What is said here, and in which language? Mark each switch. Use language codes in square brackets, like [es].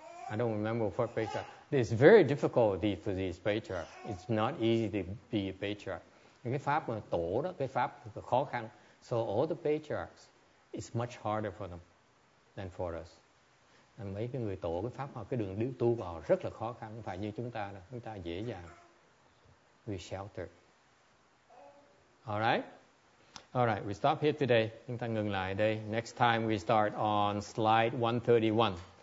[en] I don't remember what patriarch. It's very difficult for these patriarchs. It's not easy to be a patriarch. [vi] Cái pháp mà tổ đó, cái pháp khó khăn. [en] So all the patriarchs, it's much harder for them than for us. [vi] And mấy cái người tổ cái pháp họ, cái đường đi tu vào rất là khó khăn. Không phải như chúng ta đâu. Chúng ta dễ dàng. [en] We shelter. All right, we stop here today. [vi] Chúng ta ngừng lại đây. [en] Next time we start on slide 131.